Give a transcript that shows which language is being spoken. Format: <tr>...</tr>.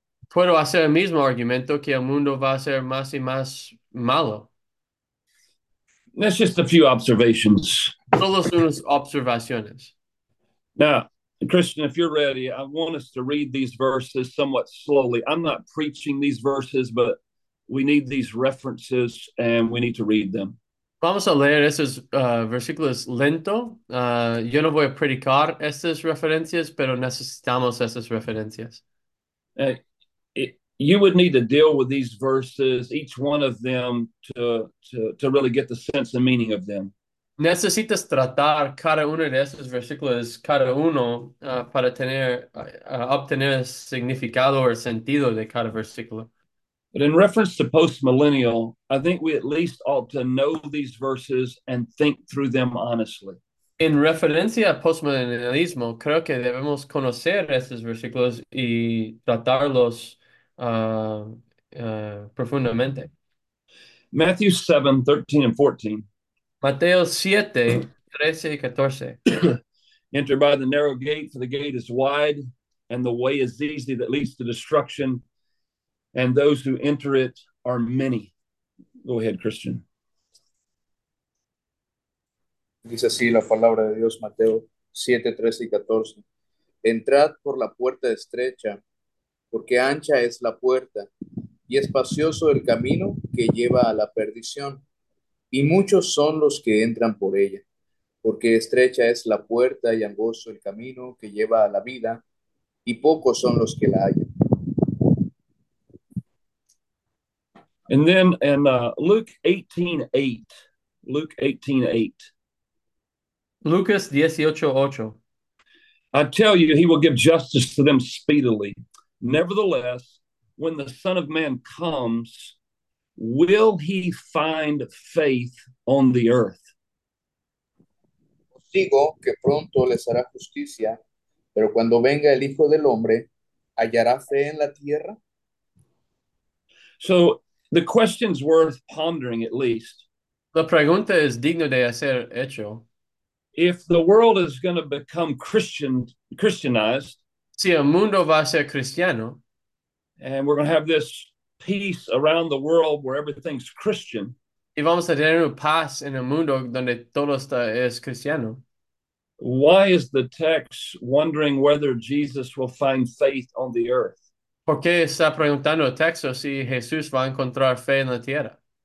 <es>Puedo hacer el mismo argumento que el mundo va a ser más y más malo.</es> <en>That's just a few observations.</en> <es>Solo son unas observaciones.</es> <en>Now, Christian, if you're ready, I want us to read these verses somewhat slowly. I'm not preaching these verses, but we need these references and we need to read them.</en> <es>Vamos a leer estos versículos lento. Yo no voy a predicar estas referencias, pero necesitamos estas referencias.</es> <en>You would need to deal with these verses, each one of them, to really get the sense and meaning of them.</en> <es>Necesitas tratar cada uno de estos versículos, cada uno, para obtener el significado o el sentido de cada versículo.</es> <en>But in reference to postmillennial, I think we at least ought to know these verses and think through them honestly.</en> <es>En referencia a postmillennialismo, creo que debemos conocer estos versículos y tratarlos profundamente.</es> <en>Matthew 7, 13 and 14.</en> <es>Mateo 7, 13 y 14.</es> <en>Enter by the narrow gate, for the gate is wide, and the way is easy that leads to destruction, and those who enter it are many. Go ahead, Christian.</en> <es>Dice así la palabra de Dios, Mateo 7, 13 y 14. Entrad por la puerta estrecha, porque ancha es la puerta, y espacioso el camino que lleva a la perdición, y muchos son los que entran por ella, porque estrecha es la puerta y angosto el camino que lleva a la vida, y pocos son los que la hallan.</es> <en>And then in Luke 18:8,</en> <es>Lucas 18:8.</es> <en>I tell you, he will give justice to them speedily. Nevertheless, when the Son of Man comes, will he find faith on the earth?</en> <es>Os digo que pronto les hará justicia, pero cuando venga el Hijo del Hombre, ¿hallará fe en la tierra?</es> <en>So the question's worth pondering at least.</en> <es>La pregunta es digno de hacer hecho.</es> <en>If the world is going to become Christianized,</en> <es>Si el mundo va a ser cristiano,</es> <en>and we're going to have this peace around the world where everything's Christian,</en> <es>y vamos a tener paz en el mundo donde todo está es cristiano.</es> <en>why is the text wondering whether Jesus will find faith on the earth?</en> <es>¿Por qué está preguntando el texto si Jesús va a encontrar fe en la tierra?</es>